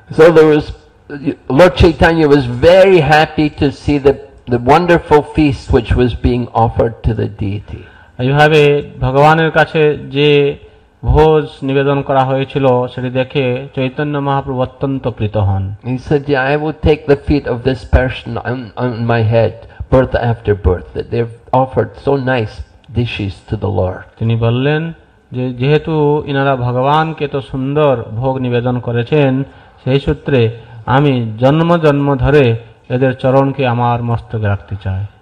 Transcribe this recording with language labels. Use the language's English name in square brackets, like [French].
[English] So there was Lord Chaitanya was very happy to see the wonderful feast which was being offered to the deity. [Bangla] এইভাবে ভগবানের কাছে যে ভোজ নিবেদন করা হয়েছিল সেটি দেখে চৈতন্য মহাপ্রভু অত্যন্ত প্রীত হন. [English] He said, "I would take the feet of this person on my head, birth after birth, that they've offered so nice dishes to the Lord." [Bangla] তিনি বললেন যে যেহেতু ইনারা ভগবানকে তো সুন্দর ভোগ নিবেদন করেছেন সেই সূত্রে আমি জন্ম জন্ম ধরে এদের চরণকে আমার মস্তকে রাখতে চাই.